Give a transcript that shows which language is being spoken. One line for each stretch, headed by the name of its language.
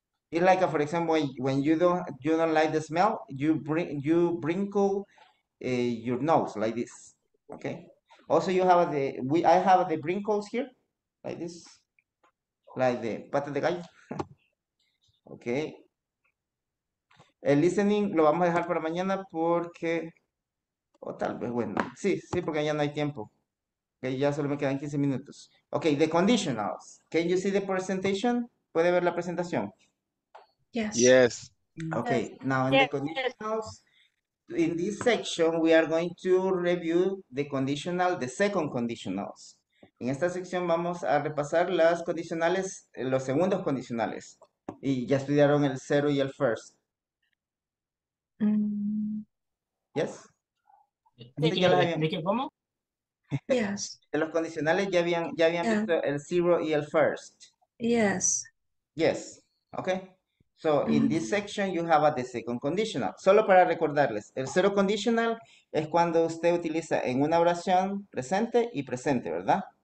English: It's like, for example, when you don't like the smell, you wrinkle your nose like this. Okay. Also, I have the wrinkles here, like this, like the
Spanish: pata de gallo.
English: Okay.
Spanish: El listening lo vamos a dejar para mañana porque, tal vez, bueno, sí, porque ya no hay tiempo. Okay, ya solo me quedan 15 minutos. Okay,
English: the conditionals. Can you see the presentation?
Spanish: ¿Puede ver la presentación?
English: Yes. Yes. Okay, now in the conditionals, in this section, we are going to review the conditional, the second conditionals.
Spanish: En esta sección vamos a repasar las condicionales, los segundos condicionales. Y ya estudiaron el cero y el first.
English: Yes.
Spanish: ¿De qué cómo?
English: Yes.
Spanish: De los condicionales ya habían visto el zero y el first.
English: Yes. Yes. Okay. So in this section you have the second conditional.
Spanish: Solo para recordarles, el zero conditional es cuando usted utiliza en una oración presente y presente, ¿verdad?